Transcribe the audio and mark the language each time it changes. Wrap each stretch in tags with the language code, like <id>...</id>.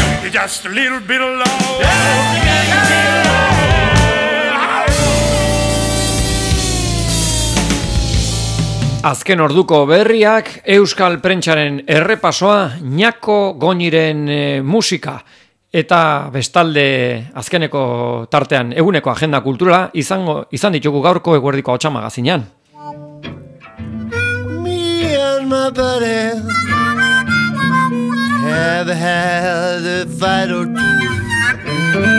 <en>Just a little bit of love.</en> <eu>Azken orduko berriak, Euskal Prentxaren errepasoa, Nako Goñiren musika, eta bestalde azkeneko tartean eguneko agenda kultura izan ditugu gaurko eguerdiko hotsa magazinean.</eu> <en>Me and my buddy have had a fight or two.</en>